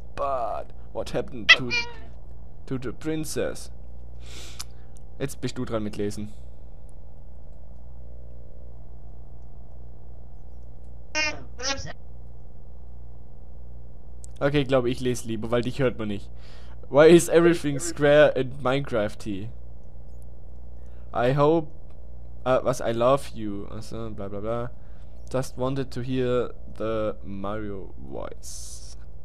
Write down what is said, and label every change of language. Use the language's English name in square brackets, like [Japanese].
[English] But what happened to the princess? [German] Jetzt bist du dran mit Lesen. Okay, glaube ich lese lieber, weil dich hört man nicht. [English] Why is everything square in Minecraft? I hope... [German] was? [English] I love you. Also, bla bla bla. Just wanted to hear the Mario voice.